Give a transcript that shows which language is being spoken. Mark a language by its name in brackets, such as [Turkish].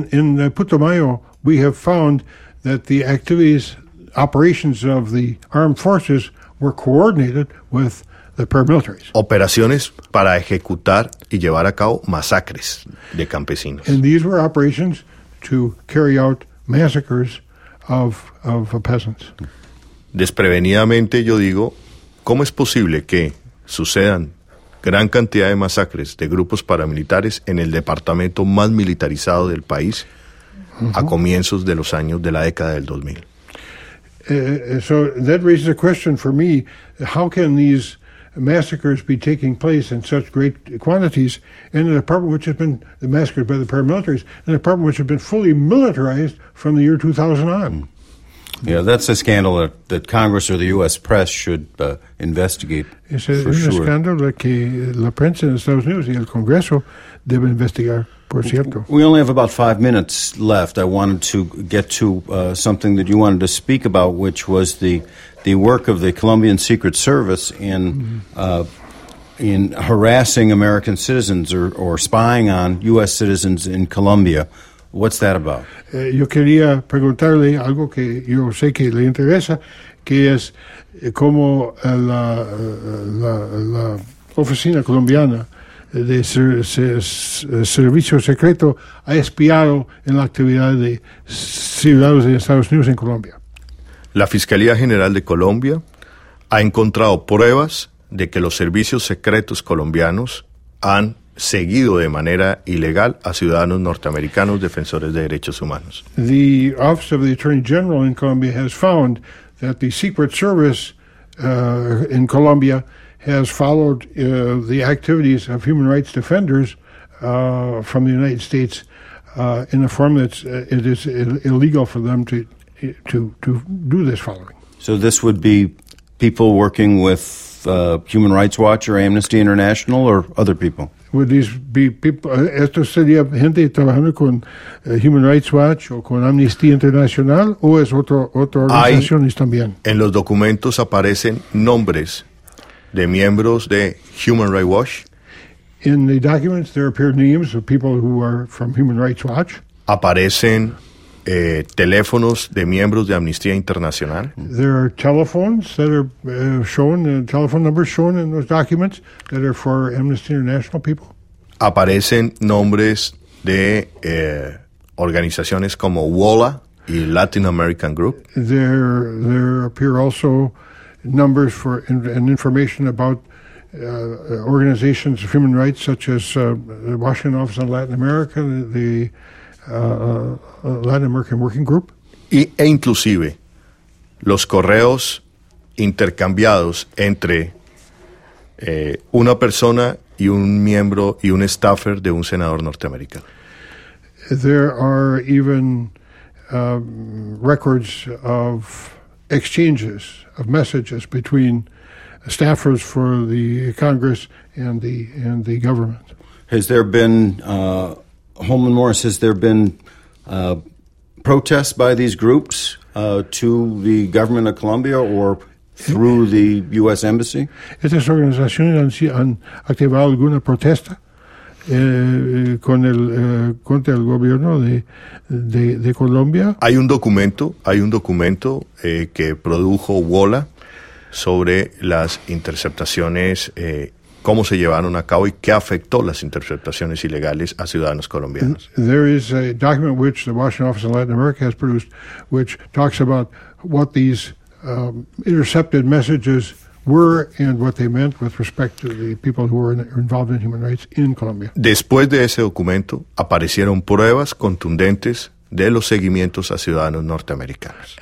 [English] In Putumayo, we have found that the activities, operations of the armed forces were coordinated with the paramilitaries. [Spanish] Operaciones para ejecutar y llevar a cabo masacres de campesinos. [English] And these were operations to carry out massacres of peasants. [Spanish] Desprevenidamente yo digo, ¿cómo es posible que sucedan gran cantidad de masacres de grupos paramilitares en el departamento más militarizado del país a comienzos de los años de la década del 2000? [English] So that raises a question for me, how can these massacres be taking place in such great quantities in a department which has been massacred by the paramilitaries, in a department which has been fully militarized from the year 2000 on? Yeah, that's a scandal that Congress or the U.S. press should investigate. [Spanish] Es un escándalo que la prensa en Estados Unidos y el Congreso deben investigar, por cierto. [English] We only have about 5 minutes left. I wanted to get to something that you wanted to speak about, which was the work of the Colombian Secret Service in harassing American citizens or spying on U.S. citizens in Colombia. What's that about? [Spanish] Yo quería preguntarle algo que yo sé que le interesa, que es cómo la oficina colombiana de servicio secreto ha espiado en la actividad de ciudadanos de Estados Unidos en Colombia. La Fiscalía General de Colombia ha encontrado pruebas de que los servicios secretos colombianos han seguido de manera ilegal a ciudadanos norteamericanos defensores de derechos humanos. [English] The Office of the Attorney General in Colombia has found that the Secret Service in Colombia has followed the activities of human rights defenders from the United States in a form that it is illegal for them to do this following. So this would be people working with Human Rights Watch or Amnesty International or other people? Would these be people? [Spanish] Esto sería gente trabajando con Human Rights Watch o con Amnistía Internacional, o es otro organización también. En los documentos aparecen nombres de miembros de Human Rights Watch. [English] In the documents there appear names of people who are from Human Rights Watch. [Spanish] Aparecen teléfonos de miembros de Amnistía Internacional. [English] There are telephones that are shown, telephone numbers shown in those documents that are for Amnesty International people. [Spanish] Aparecen nombres de organizaciones como WOLA y Latin American Group. [English] There appear also numbers for and information about organizations of human rights such as the Washington Office on Latin America, the Latin American Working Group. [Spanish] E inclusive los correos intercambiados entre una persona y un miembro y un staffer de un senador norteamericano. [English] There are even records of exchanges of messages between staffers for the Congress and the government. Has there been Holman Morris, has there been protests by these groups to the government of Colombia or through the U.S. Embassy? [Spanish] Estas organizaciones han activado alguna protesta contra el gobierno de Colombia. Hay un documento que produjo WOLA sobre las interceptaciones cómo se llevaron a cabo y qué afectó las interceptaciones ilegales a ciudadanos colombianos. [English] There is a document which the Washington Office of Latin America has produced which talks about what these intercepted messages were and what they meant with respect to the people who were involved in human rights in Colombia. [Spanish] Después de ese documento, aparecieron pruebas contundentes de los seguimientos a ciudadanos norteamericanos.